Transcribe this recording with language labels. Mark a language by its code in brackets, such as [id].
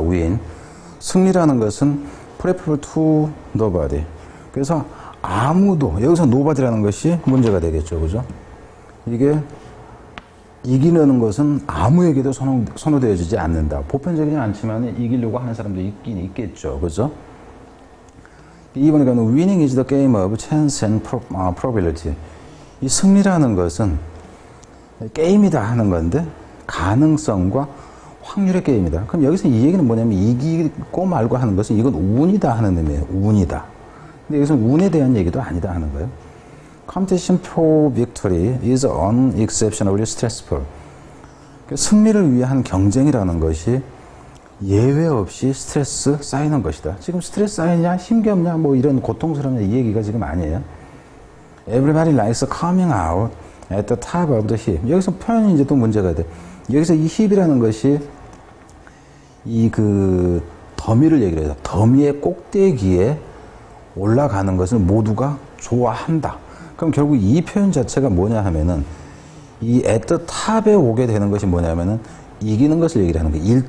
[ko] 윈 승리라는 것은 [en] preferable to nobody. [ko] 그래서 아무도 여기서 nobody라는 것이 문제가 되겠죠. 그죠? 이게 이기려는 것은 아무에게도 선호되어지지 않는다. 보편적이지 않지만 이기려고 하는 사람도 있긴 있겠죠. 그죠? 이번에 가는 [en] winning is the game of chance and probability. [ko] 이 승리라는 것은 게임이다 하는 건데 가능성과 확률의 게임이다. 그럼 여기서 이 얘기는 뭐냐면 이기고 말고 하는 것은 이건 운이다 하는 의미예요. 운이다. 근데 여기서는 운에 대한 얘기도 아니다 하는 거예요. [en] Competition for victory is unexceptionably stressful. [ko] 승리를 위한 경쟁이라는 것이 예외 없이 스트레스 쌓이는 것이다. 지금 스트레스 쌓이냐 힘겹냐 뭐 이런 고통스러운 이 얘기가 지금 아니에요. [en] Everybody likes coming out at the top of the heap. [ko] 여기서 표현이 이제 또 문제가 돼. 여기서 이 힙이라는 것이 이 그 더미를 얘기해요. 더미의 꼭대기에 올라가는 것을 모두가 좋아한다. 그럼 결국 이 표현 자체가 뭐냐 하면은 이 at the top에 오게 되는 것이 뭐냐면은 이기는 것을 얘기를 하는 거예요.